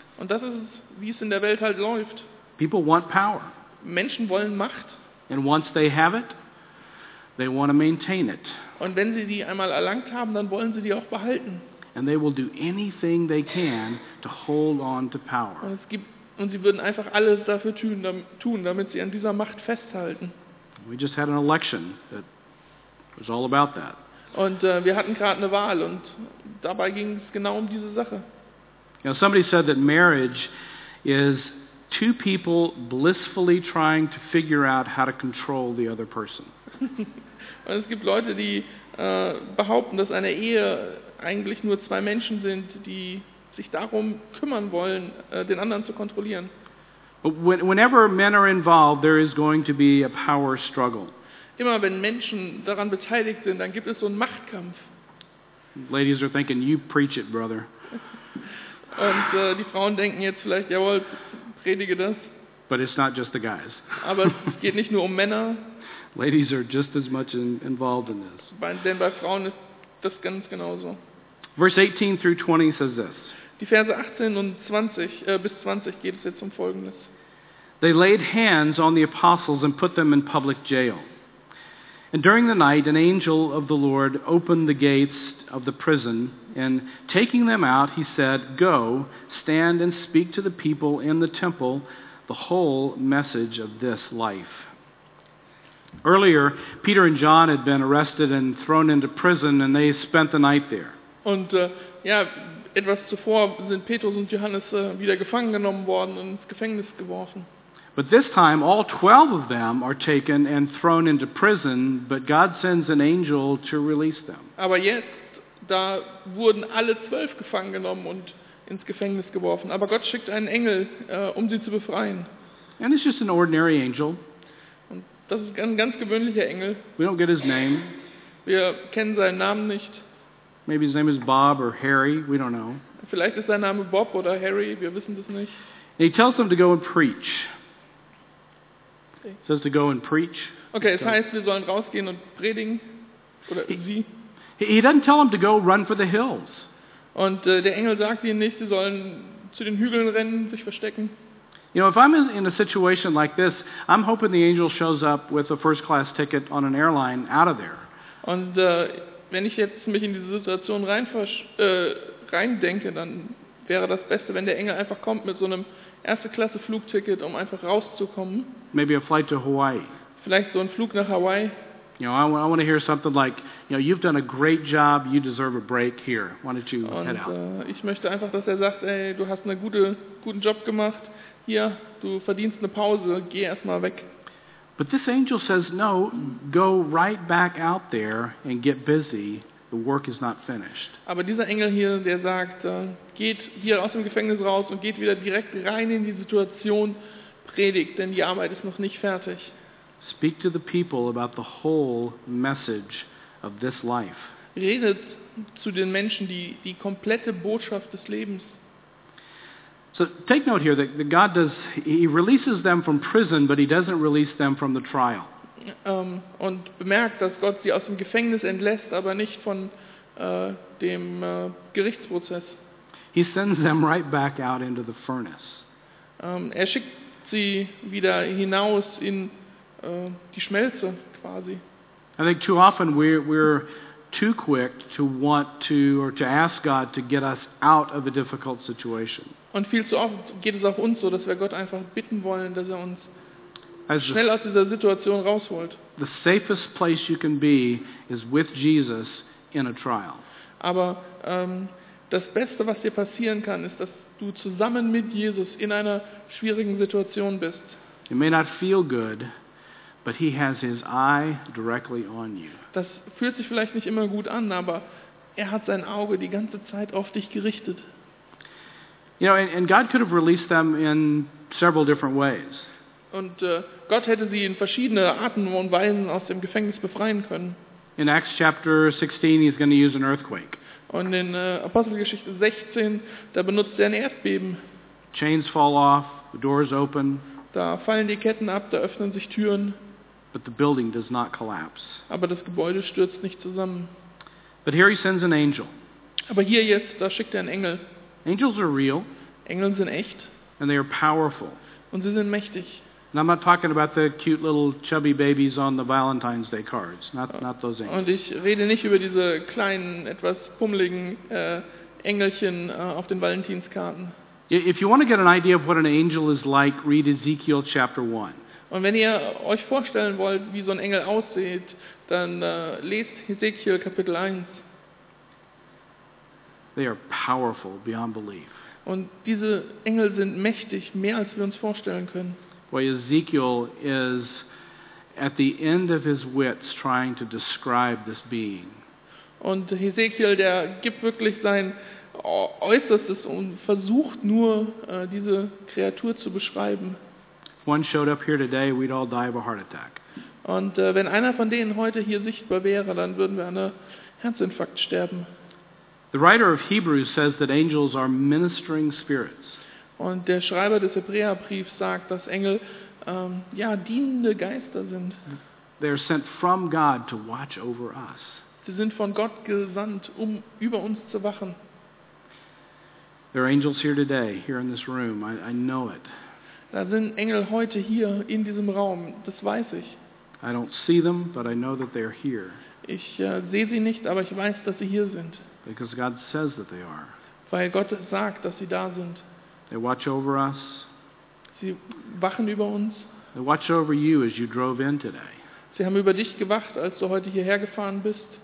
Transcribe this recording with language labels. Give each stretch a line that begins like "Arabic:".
German: Und das ist, wie es in der Welt halt läuft.
English: People want power.
German: Menschen wollen Macht.
English: And once they have it, they want to maintain it.
German: Und wenn sie die einmal erlangt haben, dann wollen sie die auch behalten.
English: And they will do anything they can to hold on to power.
German: Und es gibt, und sie würden einfach alles dafür tun, damit sie an dieser Macht festhalten.
English: We just had an election that was all about that.
German: Und wir hatten gerade eine Wahl und dabei ging es genau um diese Sache.
English: You know, somebody said that marriage is two people blissfully trying to figure out how to control the other person.
German: Und es gibt Leute, die behaupten, dass eine Ehe eigentlich nur zwei Menschen sind, die sich darum kümmern wollen, den anderen zu kontrollieren.
English: Whenever men are involved, there is going to be a power struggle.
German: Immer wenn Menschen daran beteiligt sind, dann gibt es so einen Machtkampf.
English: Ladies are thinking, you preach it, brother.
German: Und die Frauen denken jetzt vielleicht, jawohl, predige das.
English: But it's not just the guys.
German: Aber es geht nicht nur um Männer.
English: Ladies are just as much involved in this.
German: Denn bei Frauen ist das ganz genauso.
English: Verse 18 through 20 says this.
German: Die Verse 18 und 20, bis 20 geht es jetzt um Folgendes.
English: They laid hands on the apostles and put them in public jail. And during the night, an angel of the Lord opened the gates of the prison, and taking them out, he said, "Go, stand and speak to the people in the temple the whole message of this life." Earlier, Peter and John had been arrested and thrown into prison, and they spent the night there.
German: Und etwas zuvor sind Petrus und Johannes wieder gefangen genommen worden und ins Gefängnis geworfen.
English: But this time, all 12 of them are taken and thrown into prison, but God sends an angel to release them.
German: Aber jetzt, da wurden alle 12 gefangen genommen und ins Gefängnis geworfen. Aber Gott schickt einen Engel, um sie zu befreien.
English: And it's just an ordinary angel.
German: Und das ist ein ganz gewöhnlicher Engel.
English: We don't get his name.
German: Wir kennen seinen Namen nicht.
English: Maybe his name is Bob or Harry. We don't know.
German: Vielleicht ist sein Name Bob oder Harry. Wir wissen das nicht.
English: And he tells them to go and preach. It says to go and preach.
German: Okay, es heißt, wir sollen rausgehen und predigen. Oder sie.
English: He doesn't tell them to go run for the hills.
German: Und der Engel sagt ihnen nicht, sie sollen zu den Hügeln rennen, sich verstecken.
English: You know, if I'm in a situation like this, I'm hoping the angel shows up with a first-class ticket on an airline out of there.
German: Und wenn ich jetzt mich in diese Situation reindenke, dann wäre das Beste, wenn der Engel einfach kommt mit so einem Erste-Klasse-Flugticket, um einfach rauszukommen.
English: Maybe a flight to Hawaii.
German: Vielleicht so ein Flug nach Hawaii.
English: You know, I want to hear something like, you know, you've done a great job, you deserve a break here. Why don't you head out?
German: Und ich möchte einfach, dass er sagt, ey, du hast einen guten Job gemacht. Hier, du verdienst eine Pause, geh erstmal weg.
English: But this angel says, no, go right back out there and get busy. The work is not finished.
German: Aber dieser Engel hier, der sagt, geht hier aus dem Gefängnis raus und geht wieder direkt rein in die Situation, predigt, denn die Arbeit ist noch nicht fertig.
English: Speak to the people about the whole message of this life.
German: Redet zu den Menschen die komplette Botschaft des Lebens.
English: So take note here that God does, he releases them from prison, but he doesn't release them from the trial.
German: Und bemerkt, dass Gott sie aus dem Gefängnis entlässt, aber nicht von dem Gerichtsprozess.
English: He sends them right back out into the furnace.
German: Er schickt sie wieder hinaus in die Schmelze quasi.
English: I think too often we're too quick to want to or to ask God to get us out of a difficult situation.
German: Und viel zu oft geht es auch uns so, dass wir Gott einfach bitten wollen, dass er uns schnell aus dieser Situation rausholt.
English: The safest place you can be is with Jesus in a trial.
German: Aber das Beste, was dir passieren kann, ist, dass du zusammen mit Jesus in einer schwierigen Situation bist.
English: It may not feel good, but he has his eye directly on you.
German: Das fühlt sich vielleicht nicht immer gut an, aber er hat sein Auge die ganze Zeit auf dich gerichtet.
English: You know, and God could have released them in several different ways.
German: Und Gott hätte sie in verschiedene Arten und Weisen aus dem Gefängnis befreien können.
English: In Acts chapter 16 he's going to use an earthquake.
German: Und in Apostelgeschichte 16, da benutzt er ein Erdbeben.
English: Chains fall off, the doors open.
German: Da fallen die Ketten ab, da öffnen sich Türen.
English: But the building does not collapse.
German: Aber das Gebäude stürzt nicht zusammen.
English: But here he sends an angel.
German: Aber hier jetzt, da schickt er einen Engel.
English: Angels are real.
German: Engel sind echt.
English: And they are powerful.
German: Und sie sind mächtig.
English: And I'm not talking about the cute little chubby babies on the Valentine's Day cards. Not those angels.
German: Und ich rede nicht über diese kleinen, etwas pummeligen Engelchen auf den Valentinskarten.
English: If you want to get an idea of what an angel is like, read Ezekiel chapter 1.
German: Und wenn ihr euch vorstellen wollt, wie so ein Engel aussieht, dann lest Ezekiel Kapitel 1.
English: They are powerful beyond belief.
German: Und diese Engel sind mächtig, mehr als wir uns vorstellen können.
English: Boy, Ezekiel is at the end of his wits trying to describe this being.
German: Und Ezekiel, der gibt wirklich sein Äußerstes und versucht nur, diese Kreatur zu beschreiben.
English: If one showed up here today, we'd all die of a heart attack.
German: Und wenn einer von denen heute hier sichtbar wäre, dann würden wir an einem Herzinfarkt sterben.
English: The writer of Hebrews says that angels are ministering spirits.
German: Und der Schreiber des Hebräerbriefs sagt, dass Engel dienende Geister sind.
English: They are sent from God to watch over us.
German: Sie sind von Gott gesandt, um über uns zu wachen.
English: There are angels here today, here in this room. I know it.
German: Da sind Engel heute hier in diesem Raum. Das weiß ich.
English: I don't see them, but I know that they're here.
German: Ich sehe sie nicht, aber ich weiß, dass sie hier sind.
English: Because God says that they are.
German: Weil Gott sagt, dass sie da sind.
English: They watch over us.
German: Sie wachen über uns.
English: They watch over you as you drove in today.
German: Sie haben über dich gewacht, als du heute hierher gefahren bist.